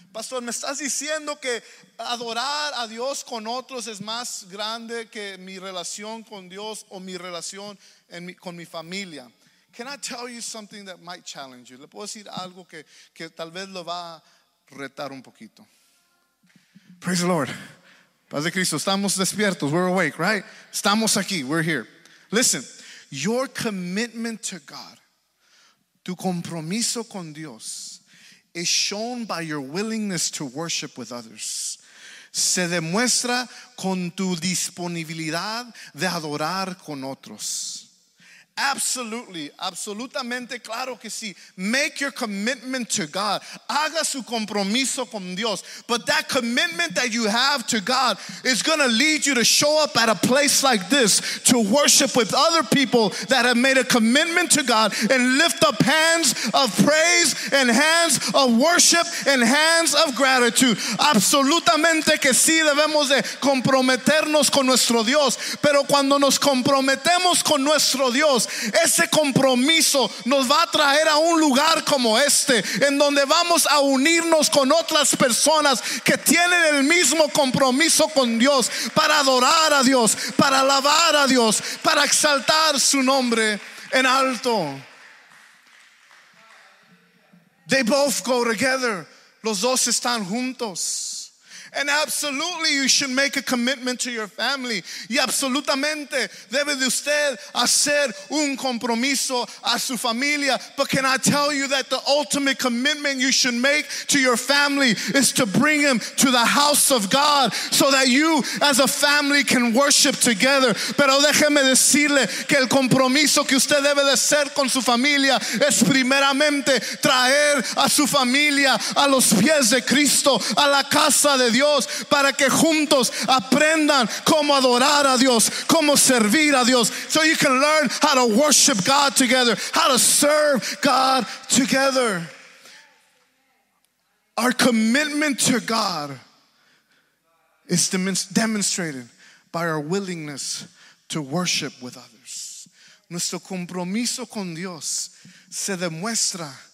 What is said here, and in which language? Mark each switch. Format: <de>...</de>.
<es>Pastor, me estás diciendo que adorar a Dios con otros es más grande que mi relación con Dios o mi relación con mi familia.</es> <en>Can I tell you something that might challenge you?</en> <es>Le puedo decir algo que tal vez lo va a retar un poquito.</es> <en>Praise the Lord.</en> <es>Paz de Cristo, estamos despiertos.</es> <en>We're awake, right?</en> <es>Estamos aquí.</es> <en>We're here. Listen. Your commitment to God,</en> <es>tu compromiso con Dios,</es> <en>is shown by your willingness to worship with others.</en> <es>Se demuestra con tu disponibilidad de adorar con otros.</es> <en>Absolutely,</en> <es>absolutamente, claro que sí.</es> <en>Make your commitment to God.</en> <es>Haga su compromiso con Dios.</es> <en>But that commitment that you have to God is going to lead you to show up at a place like this to worship with other people that have made a commitment to God and lift up hands of praise and hands of worship and hands of gratitude.</en> <es>Absolutamente que sí, debemos de comprometernos con nuestro Dios. Pero cuando nos comprometemos con nuestro Dios, ese compromiso nos va a traer a un lugar como este, en donde vamos a unirnos con otras personas que tienen el mismo compromiso con Dios para adorar a Dios, para alabar a Dios, para exaltar su nombre en alto.</es> <en>They both go together.</en> <es>Los dos están juntos.</es> <en>And absolutely you should make a commitment to your family.</en> <es>Y absolutamente debe de usted hacer un compromiso a su familia.</es> <en>But can I tell you that the ultimate commitment you should make to your family is to bring them to the house of God so that you as a family can worship together.</en> <es>Pero déjeme decirle que el compromiso que usted debe de hacer con su familia es primeramente traer a su familia a los pies de Cristo, a la casa de Dios, para que juntos aprendan cómo adorar a Dios, cómo servir a Dios.</es> <en>So you can learn how to worship God together, how to serve God together. Our commitment to God is demonstrated by our willingness to worship with others.</en> <es>Nuestro compromiso con Dios se demuestra</es>